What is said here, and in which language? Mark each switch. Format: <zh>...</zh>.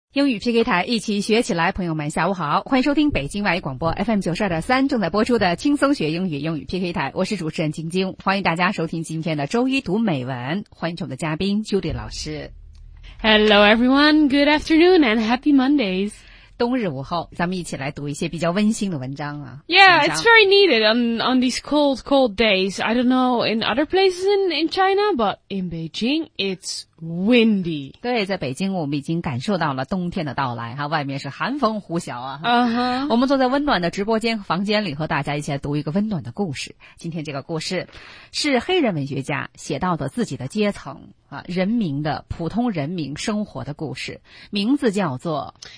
<zh>英语 PK 台，一起学起来。朋友们下午好，欢迎收听北京外语广播 FM92.3 正在播出的轻松学英语，英语 PK 台，我是主持人晶晶，欢迎大家收听今天的周一读美文，欢迎我们的嘉宾 Judy 老师。</zh> <en>Hello everyone, good afternoon and happy Mondays。</en> <zh>冬日午后，咱们一起来读一些比较温馨的文章啊。</zh> <en>Yeah, it's very needed on these cold, cold days. I don't know in other places in China, but in Beijing, it's windy.</en> <zh>对，在北京我们已经感受到了冬天的到来，外面是寒风呼啸啊。 Uh-huh. 我们坐在温暖的直播间房间里和大家一起来读一个温暖的故事。今天这个故事是黑人文学家写到的自己的阶层啊，人民的普通人民生活的故事，名字叫做</zh>